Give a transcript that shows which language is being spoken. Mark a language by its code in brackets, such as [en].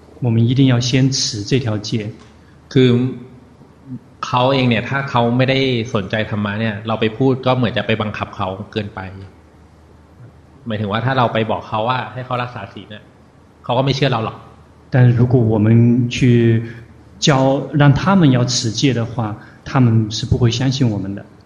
[zh] 我们一定要先持这条戒 [th] คือเขาเองเนี่ยถ้าเขาไม่ได้สนใจธรรมะเนี่ยเราไปพูดก็เหมือนจะไปบังคับเขาเกินไปหมายถึงว่าถ้าเราไปบอกเขาว่าให้เขารักษาศีลเนี่ยเขาก็ไม่เชื่อเราหรอก [zh] 但如果我们去教让他们要持戒的话他们是不会相信我们的